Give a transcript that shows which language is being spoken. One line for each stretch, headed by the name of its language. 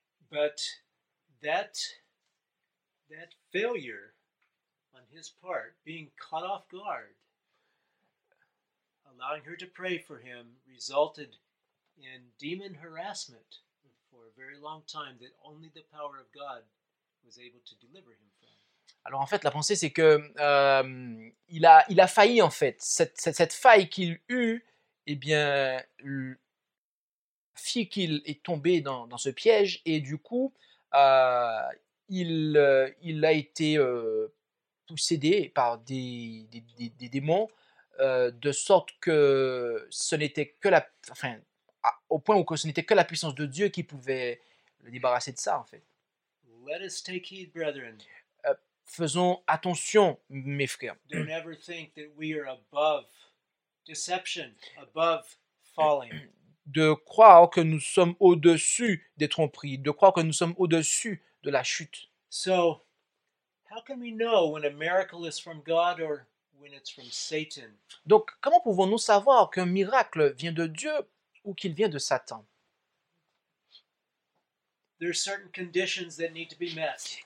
English: But that failure on his part, being caught off guard, allowing her to pray for him, resulted in demon harassment for a very long time that only the power of God was able to deliver him from.
French: Alors en fait, la pensée, c'est que il a failli en fait. Cette faille qu'il eut, eh bien, fit qu'il est tombé dans ce piège, et du coup, il a été possédé par des démons, de sorte que ce n'était que la, enfin, au point où ce n'était que la puissance de Dieu qui pouvait le débarrasser de ça en fait.
English: Let us take heed, brethren.
French: Faisons attention, mes frères.
English: Don't ever think that we are above deception, above falling.
French: De croire que nous sommes au-dessus des tromperies, de croire que nous sommes au-dessus de la chute.
English: So, how can we know when a miracle is from God or when it's from Satan?
French: Donc, comment pouvons-nous savoir qu'un miracle vient de Dieu ou qu'il vient de Satan?
English: There are certain conditions that need to be met.